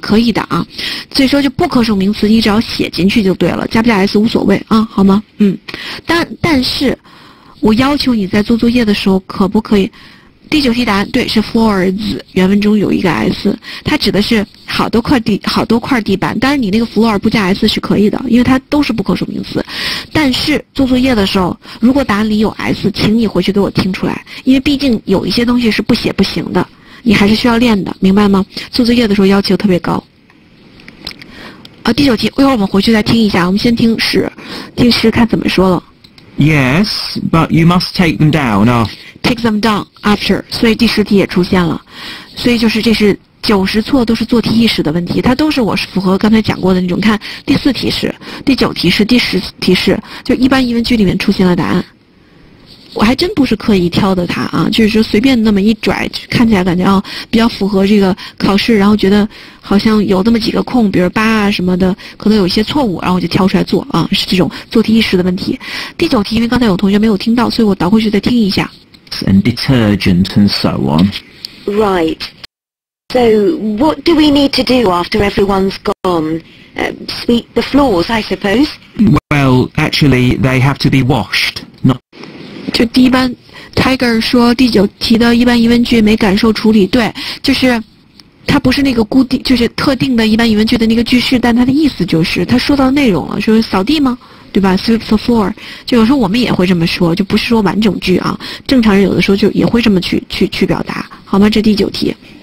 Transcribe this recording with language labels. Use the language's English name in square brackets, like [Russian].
[Chinese] 可以的啊，所以说就不可数名词你只要写进去就对了，加不加 s 无所谓啊，好吗？嗯，但是我要求你在做作业的时候可不可以，第九题答案对是 floors， 原文中有一个 s， 它指的是好多块地板，当然你那个 floor 不加 s 是可以的，因为它都是不可数名词，但是做作业的时候如果答案里有 s， 请你回去给我听出来，因为毕竟有一些东西是不写不行的，你还是需要练的，明白吗？做作业的时候要求特别高啊。第九题，一会儿我们回去再听一下，我们先听十，听十看怎么说了。 [English] Yes, but you must take them down after. Take them down after. [Chinese] 所以第十题也出现了，所以就是这是九十错都是做题意识的问题，它都是我是符合刚才讲过的那种。看第四题是，第九题是，第十题是，就一般疑问句里面出现了答案。我还真不是刻意挑的它啊，就是说随便那么一拽，看起来感觉啊、哦、比较符合这个考试，然后觉得好像有那么几个空，比如八啊什么的，可能有一些错误，然后我就挑出来做啊，是这种做题意识的问题。第九题，因为刚才有同学没有听到，所以我倒回去再听一下。 [English] And detergent and so on. Right. So what do we need to do after everyone's gone? Sweep the floors, I suppose. Well, actually, they have to be washed. Not. [Chinese] 就第一班 Tiger 说第九题的一般疑问句没感受处理，对，就是它不是那个固定，就是特定的一般疑问句的那个句式，但它的意思就是它说到内容了，就是扫地吗，对吧？ [English] Sweep the floor， [Chinese] 就有时候我们也会这么说，就不是说完整句啊，正常人有的时候就也会这么去表达，好吗？这第九题。